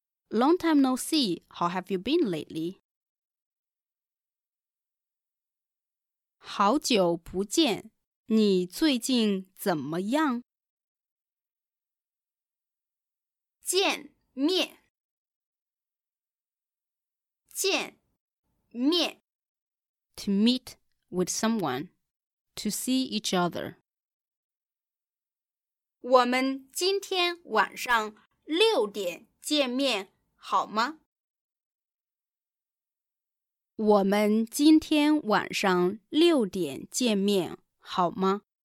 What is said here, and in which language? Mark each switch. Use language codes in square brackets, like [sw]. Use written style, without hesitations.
[en] Long time no see, how have you been lately? [zh] 好久不见,你最近怎么样? 见面 见面 [en] To meet with someone, to see each other. [zh] 我们今天晚上六点见面好吗? 我们今天晚上六点见面好吗?